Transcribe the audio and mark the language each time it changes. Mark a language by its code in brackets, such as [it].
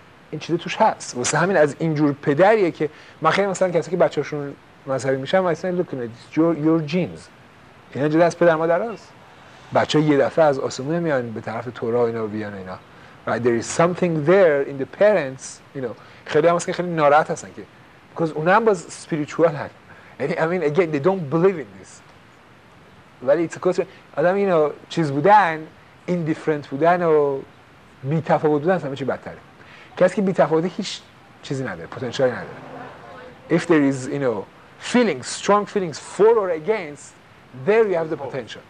[fa] این چیزه توش هست واسه همین از اینجور پدریه که من خیلی مثلا کسی که بچه‌هاشون مذهبی میشن مثلا [en] look at this your genes [fa] اینا جدا از پدر مادر هست بچه ها یه دفعه از آسمون میان به طرف تورا اینا و بیان اینا [en] right there is something there in the parents you know [fa] خیلی هم هست که خیلی ناراحت هستن که [en] because [fa] اونم باز spiritual هست. یعنی [en] I mean again they don't believe in this. [fa] ولی [en] it's a question. [fa] آدم اینو چیز بودن، indifferent بودن و بی تفاوت بودن همه چی بدتره. کسی که بی تفاوته هیچ چیزی نداره، پتانسیلی نداره. [en] If there is you know feelings, strong feelings for or against, there you have the potential.